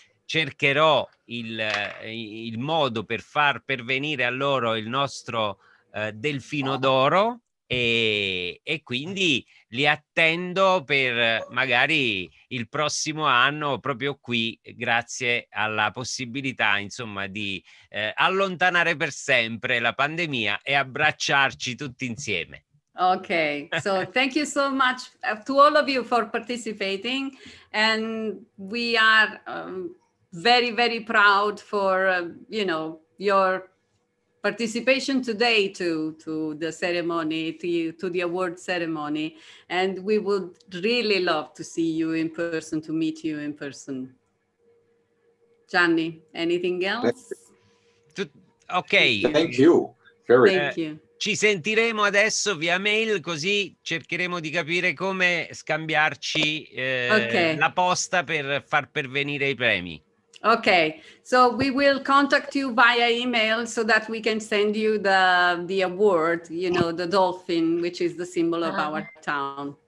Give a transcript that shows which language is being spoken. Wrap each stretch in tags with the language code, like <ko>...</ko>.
<it>Cercherò il modo per far pervenire a loro il nostro delfino d'oro, e quindi li attendo per magari il prossimo anno proprio qui, grazie alla possibilità, insomma, di allontanare per sempre la pandemia e abbracciarci tutti insieme.</it> <en>Ok, so thank you so much to all of you for participating, and we are very, very proud for you know, your participation today to the ceremony, to the award ceremony, and we would really love to see you in person, to meet you in person. Gianni, anything else? Okay. Thank you. Very thank you.</en> <it>Ci sentiremo adesso via mail, così cercheremo di capire come scambiarci okay. la posta per far pervenire i premi.</it> <en>Okay, so we will contact you via email so that we can send you the award, you know, the dolphin, which is the symbol of our town.</en>